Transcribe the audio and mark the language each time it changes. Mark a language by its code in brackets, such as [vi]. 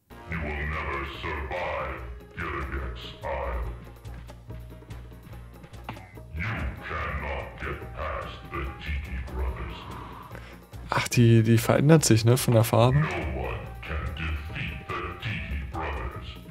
[en] You will never survive here against Isle. You cannot get past the Tiki Brothers. [de] Ach, die verändert sich, ne, von der Farbe. [en] No one can defeat the Tiki Brothers.